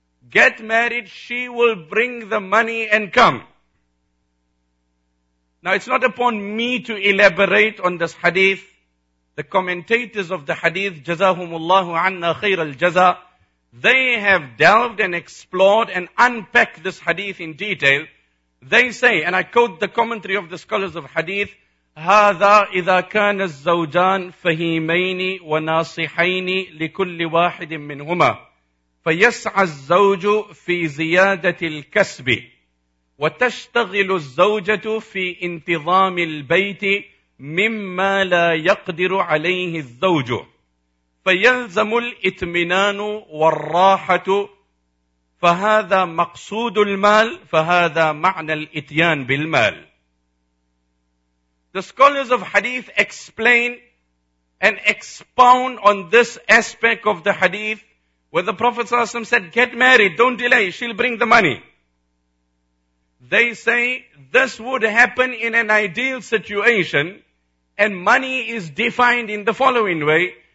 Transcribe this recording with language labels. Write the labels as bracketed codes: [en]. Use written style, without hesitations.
[en] Get married, she will bring the money and come. Now it's not upon me to elaborate on this hadith. The commentators of the hadith, Jazahumullahu anna khair al-jaza, they have delved and explored and unpacked this hadith in detail. They say, and I quote the commentary of the scholars of hadith, [ar] هَذَا إِذَا كَانَ الزَّوْجَانِ فَهِيمَيْنِ وَنَاصِحَيْنِ لِكُلِّ وَاحِدٍ مِّنْهُمَا فَيَسْعَ الزَّوْجُ فِي زِيَادَةِ الْكَسْبِ وَتَشْتَغِلُ الزَّوْجَةُ فِي انْتِظَامِ الْبَيْتِ مِمَّا لَا يَقْدِرُ عَلَيْهِ الزَّوْجُ فَيَلْزَمُ الْإِطْمِنَانُ وَالرَّاحَةُ فَهَذَا مَقْصُودُ الْمَالِ فَهَذَا مَعْنَى الْإِتْيَانِ بِالْمَالِ. [en] The scholars of hadith explain and expound on this aspect of the hadith where the Prophet ﷺ said, get married, don't delay, she'll bring the money. They say this would happen in an ideal situation, and money is defined in the following way.